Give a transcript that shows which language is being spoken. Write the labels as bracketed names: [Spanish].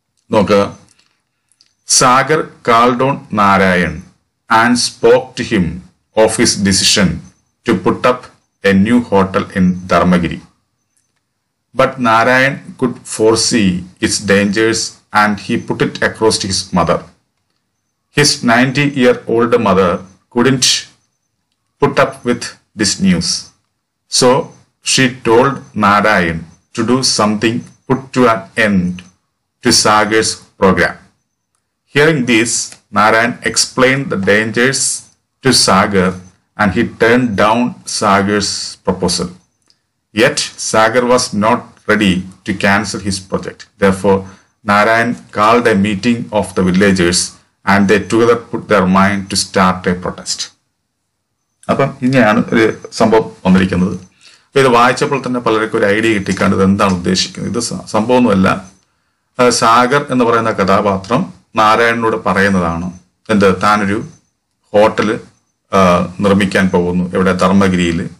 [English] നോക്കുക, Sagar called on Narayan and spoke to him of his decision to put up a new hotel in Dharmagiri. But Narayan could foresee its dangers and he put it across his mother. His 90-year-old mother couldn't put up with this news. So she told Narayan to do something, put to an end to Sagar's program. Hearing this, Narayan explained the dangers to Sagar and he turned down Sagar's proposal. Yet Sagar was not ready to cancel his project. Therefore, Narayan called a meeting of the villagers and they together put their mind to start a protest. [Malayalam] അപ്പം ഇങ്ങനെയാണ് ഒരു സംഭവം വന്നിരിക്കുന്നത്. അപ്പൊ ഇത് വായിച്ചപ്പോൾ തന്നെ പലർക്കും ഒരു ഐഡിയ കിട്ടിക്കാണ്ട് ഇത് എന്താണ് ഉദ്ദേശിക്കുന്നത്. ഇത് സംഭവമൊന്നുമല്ല, സാഗർ എന്ന് പറയുന്ന കഥാപാത്രം നാരായണനോട് പറയുന്നതാണ് എന്ത്, താനൊരു ഹോട്ടല് നിർമ്മിക്കാൻ പോകുന്നു ഇവിടെ ധർമ്മഗിരിയിൽ.